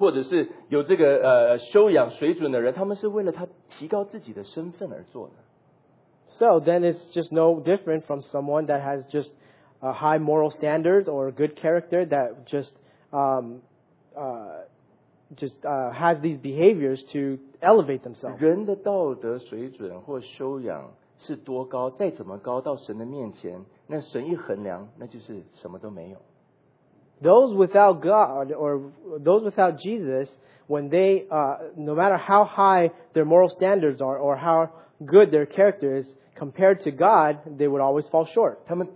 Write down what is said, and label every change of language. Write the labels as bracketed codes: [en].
[zh] 那就变得只像那些有高道德标准或者是有这个修养水准的人, 他们是为了他提高自己的身份而做的。 [en] So then it's just no different from someone that has just a high moral standards or a good character that just has these behaviors to elevate themselves. [zh] 人的道德水准或修养 是多高, 再怎么高, 到神的面前, 那神一衡量, 那就是什么都没有。 [en] Those without God or those without Jesus, when they, no matter how high their moral standards are or how good their character is compared to God, they would always fall short.